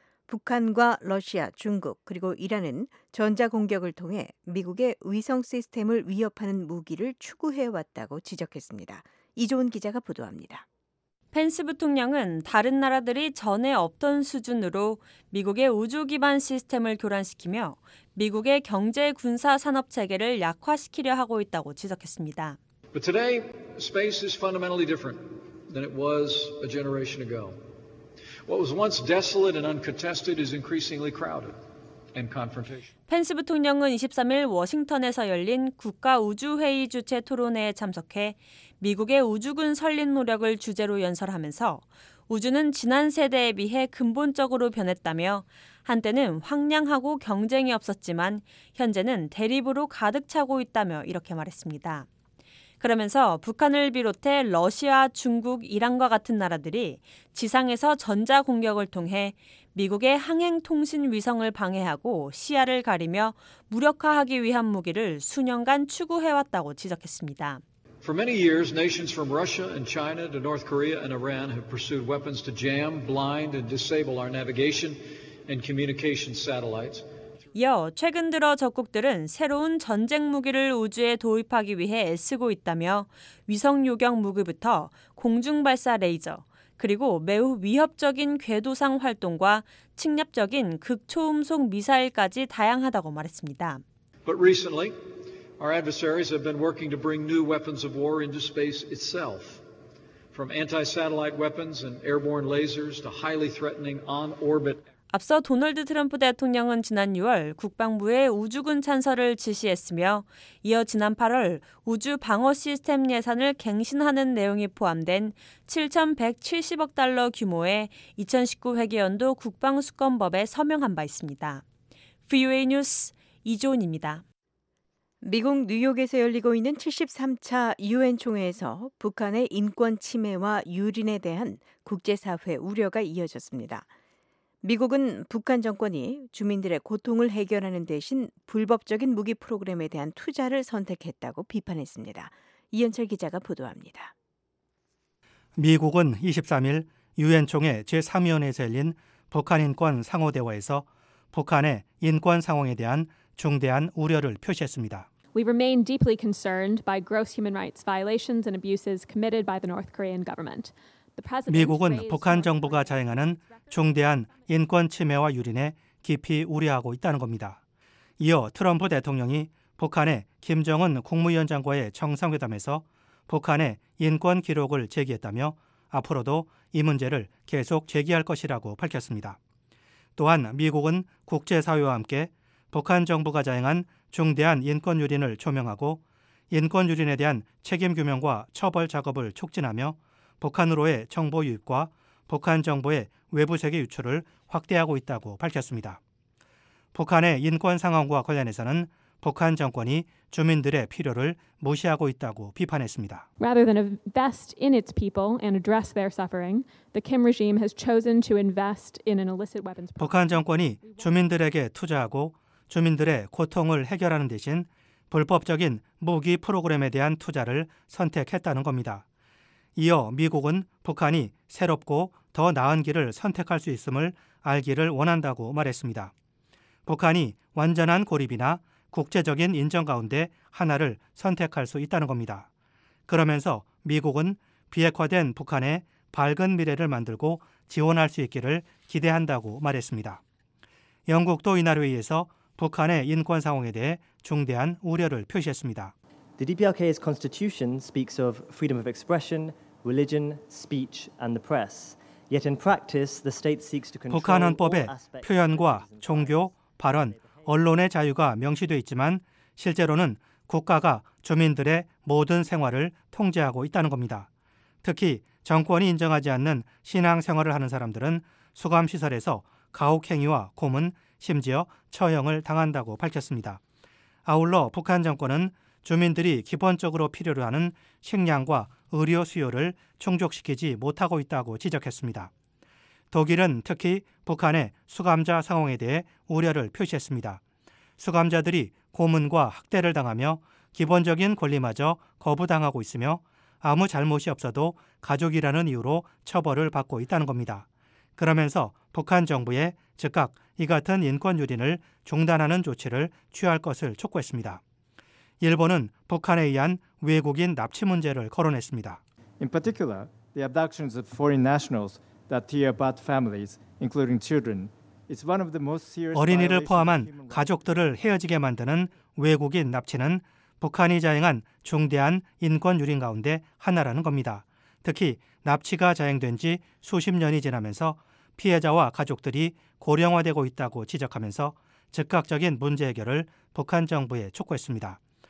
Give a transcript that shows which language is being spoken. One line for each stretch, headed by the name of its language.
Korean: 북한과 러시아, 중국 그리고 이란은 전자공격을 통해 미국의 위성 시스템을 위협하는 무기를 추구해왔다고 지적했습니다. 이종훈 기자가 보도합니다. 펜스 부통령은 다른 나라들이 전에 없던 수준으로 미국의 우주 기반 시스템을 교란시키며 미국의 경제 군사 산업 체계를 약화시키려 하고 있다고 지적했습니다.
English: But today, space is fundamentally different than it was a generation ago. What was once desolate and uncontested is increasingly crowded and confrontation.
Korean: 펜스 부통령은 23일 워싱턴에서 열린 국가 우주회의 주최 토론회에 참석해 미국의 우주군 설립 노력을 주제로 연설하면서 우주는 지난 세대에 비해 근본적으로 변했다며 한때는 황량하고 경쟁이 없었지만 현재는 대립으로 가득 차고 있다며 이렇게 말했습니다. 그러면서 북한을 비롯해 러시아, 중국, 이란과 같은 나라들이 지상에서 전자공격을 통해 미국의 항행통신 위성을 방해하고 시야를 가리며 무력화하기 위한 무기를 수년간 추구해왔다고 지적했습니다.
English: For many years, nations from Russia and China to North Korea and Iran have pursued weapons to jam, blind, and disable our navigation and communication satellites.
Korean: 이어 최근 들어 적국들은 새로운 전쟁 무기를 우주에 도입하기 위해 애쓰고 있다며 위성 요격 무기부터 공중발사 레이저 그리고 매우 위협적인 궤도상 활동과 침략적인 극초음속 미사일까지 다양하다고 말했습니다.
English: But recently, our adversaries have been working to bring new weapons of war into space itself. From anti-satellite weapons and airborne lasers to highly threatening on-orbit.
Korean: 앞서 도널드 트럼프 대통령은 지난 6월 국방부에 우주군 찬설을 지시했으며 이어 지난 8월 우주 방어 시스템 예산을 갱신하는 내용이 포함된 7,170억 달러 규모의 2019 회계 연도 국방 수권법에 서명한 바 있습니다. VOA 뉴스 이조은입니다. 미국 뉴욕에서 열리고 있는 73차 유엔 총회에서 북한의 인권 침해와 유린에 대한 국제사회 우려가 이어졌습니다. 미국은 북한 정권이 주민들의 고통을 해결하는 대신 불법적인 무기 프로그램에 대한 투자를 선택했다고 비판했습니다. 이현철 기자가 보도합니다. 미국은 23일 유엔 총회 제3위원회에서 열린 북한인권 상호대화에서 북한의 인권 상황에 대한 중대한 우려를 표시했습니다.
English: We remain deeply concerned by gross human rights violations and abuses committed by the North Korean government.
Korean: 미국은 북한 정부가 자행하는 중대한 인권 침해와 유린에 깊이 우려하고 있다는 겁니다. 이어 트럼프 대통령이 북한의 김정은 국무위원장과의 정상회담에서 북한의 인권 기록을 제기했다며 앞으로도 이 문제를 계속 제기할 것이라고 밝혔습니다. 또한 미국은 국제사회와 함께 북한 정부가 자행한 중대한 인권 유린을 조명하고 인권 유린에 대한 책임 규명과 처벌 작업을 촉진하며 북한으로의 정보 유입과 북한 정부의 외부 세계 유출을 확대하고 있다고 밝혔습니다. 북한의 인권 상황과 관련해서는 북한 정권이 주민들의 필요를 무시하고 있다고 비판했습니다.
English: Rather than invest in its people and address their suffering, the Kim regime has chosen to invest in an illicit weapons.
Korean: 북한 정권이 주민들에게 투자하고 주민들의 고통을 해결하는 대신 불법적인 무기 프로그램에 대한 투자를 선택했다는 겁니다. 이어 미국은 북한이 새롭고 더 나은 길을 선택할 수 있음을 알기를 원한다고 말했습니다. 북한이 완전한 고립이나 국제적인 인정 가운데 하나를 선택할 수 있다는 겁니다. 그러면서 미국은 비핵화된 북한의 밝은 미래를 만들고 지원할 수 있기를 기대한다고 말했습니다. 영국도 이날 회의에서 북한의 인권 상황에 대해 중대한 우려를 표시했습니다.
English: The DPRK's constitution speaks of freedom of expression, religion, speech, and the press. Yet in practice, the state seeks to control.
Korean: 북한 헌법에 표현과 종교, 발언, 언론의 자유가 명시돼 있지만 실제로는 국가가 주민들의 모든 생활을 통제하고 있다는 겁니다. 특히 정권이 인정하지 않는 신앙 생활을 하는 사람들은 수감 시설에서 가혹행위와 고문, 심지어 처형을 당한다고 밝혔습니다. 아울러 북한 정권은 주민들이 기본적으로 필요로 하는 식량과 의료 수요를 충족시키지 못하고 있다고 지적했습니다. 독일은 특히 북한의 수감자 상황에 대해 우려를 표시했습니다. 수감자들이 고문과 학대를 당하며 기본적인 권리마저 거부당하고 있으며 아무 잘못이 없어도 가족이라는 이유로 처벌을 받고 있다는 겁니다. 그러면서 북한 정부에 즉각 이 같은 인권 유린을 중단하는 조치를 취할 것을 촉구했습니다. 일본은 북한에 의한 외국인 납치 문제를 거론했습니다.
English: In particular, the abductions of foreign nationals that tear apart families, including children, is one of the most serious.
Korean: 어린이를 포함한 가족들을 헤어지게 만드는 외국인 납치는 북한이 자행한 중대한 인권 유린 가운데 하나라는 겁니다. 특히 납치가 자행된 지 수십 년이 지나면서 피해자와 가족들이 고령화되고 있다고 지적하면서 즉각적인 문제 해결을 북한 정부에 촉구했습니다.